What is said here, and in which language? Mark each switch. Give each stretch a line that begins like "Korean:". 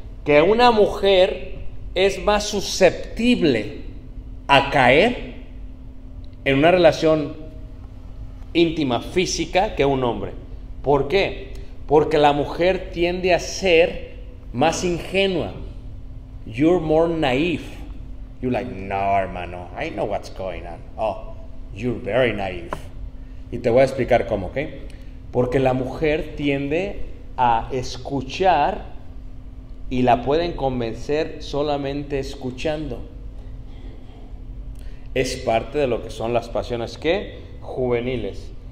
Spanish: Que una mujer es más susceptible a caer en una relación íntima física que un hombre. ¿Por qué? Porque la mujer tiende a ser más ingenua.
English: You're more naive. You're like, no, hermano, I know what's going on. Oh, you're very naive.
Spanish: Y te voy a explicar cómo, ¿ok? Porque la mujer tiende a escuchar y la pueden convencer solamente escuchando. Es parte de lo que son las pasiones, ¿qué? Juveniles.